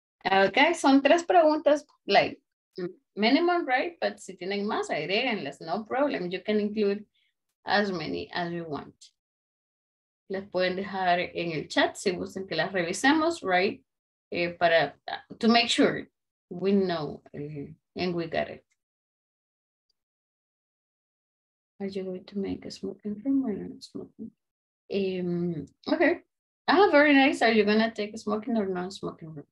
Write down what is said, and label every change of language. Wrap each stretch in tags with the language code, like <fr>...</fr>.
<es>Okay, son tres preguntas,</es> <en>like minimum, right? But</en> <es>si tienen más, agréguenlas,</es> <en>no problem. You can include as many as you want.</en> <es>Las pueden dejar en el chat si gustan que las revisemos,</es> <en>right?</en> <es>Para,</es> <en>to make sure we know and we got it. Are you going to make a smoking room or not smoking? Okay. Ah, very nice. Are you going to take a smoking or non-smoking room?</en>